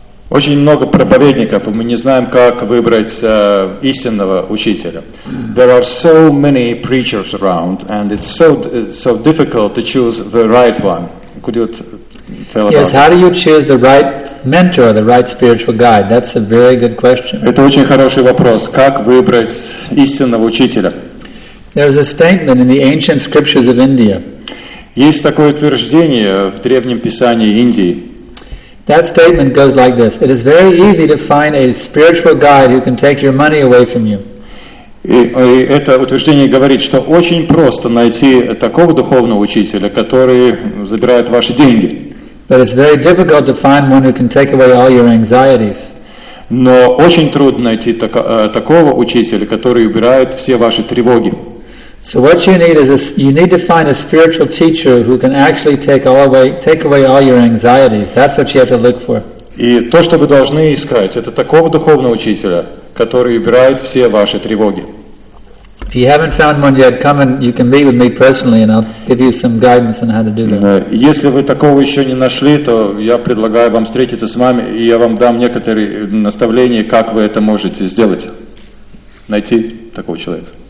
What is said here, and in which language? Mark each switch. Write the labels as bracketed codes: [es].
[ru] Очень много проповедников, и мы не знаем, как выбрать истинного учителя. [en] There are so many preachers around, and it's so difficult to choose the right one. Could you tell about it? Yes, how do you choose the right mentor, the right spiritual guide? That's a very good question. [ru] Это очень хороший вопрос. Как выбрать истинного учителя? [en] There's a statement in the ancient scriptures of India. [ru] Есть такое утверждение в древнем писании Индии. [en] That statement goes like this: It is very easy to find a spiritual guide who can take your money away from you. [ru] И это утверждение говорит, что очень просто найти такого духовного учителя, который забирает ваши деньги. [en] But it's very difficult to find one who can take away all your anxieties. [ru] Но очень трудно найти такого учителя, который убирает все ваши тревоги. [en] So what you need is you need to find a spiritual teacher who can actually take away all your anxieties. That's what you have to look for. [ru] И то, что вы должны искать, это такого духовного учителя, который убирает все ваши тревоги. [en] If you haven't found one yet, come and you can meet with me personally, and I'll give you some guidance on how to do that. [ru] Если вы такого еще не нашли, то я предлагаю вам встретиться с вами, и я вам дам некоторые наставления, как вы это можете сделать, найти такого человека.